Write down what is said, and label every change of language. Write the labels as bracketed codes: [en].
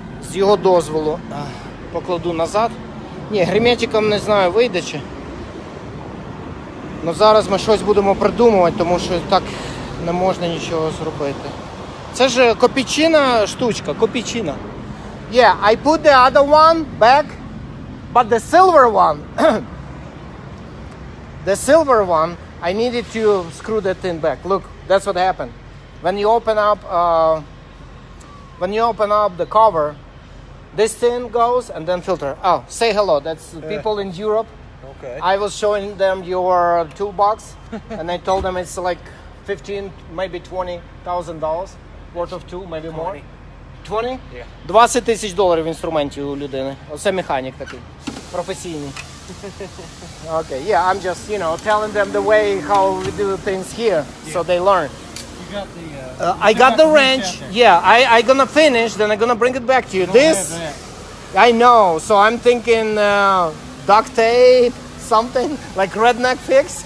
[uk] З його дозволу покладу назад. Ні, герметиком не знаю, вийде чи. Ну зараз ми щось будемо придумувати, тому що так не можна нічого зробити. Це ж копійчина штучка, копійчина. [en] Yeah, I put the other one back, but the silver one... The silver one, I needed to screw that thing back. Look, that's what happened. When you open up the cover, this thing goes and then filter. Oh, say hello. That's people in Europe. Okay. I was showing them your toolbox and I told them it's like 15, maybe $20,000 worth of tool, maybe 20. More. 20? Yeah. [uk] 20 тисяч доларів в інструменті у людини. Оце механік такий, професійний. [en] Okay, yeah, I'm just, you know, telling them the way how we do things here, yeah. So they learn. You got the... I got the wrench. Yeah, I'm gonna finish, then I'm gonna bring it back to you. Go ahead. I know, so I'm thinking duct tape, something, like redneck fix.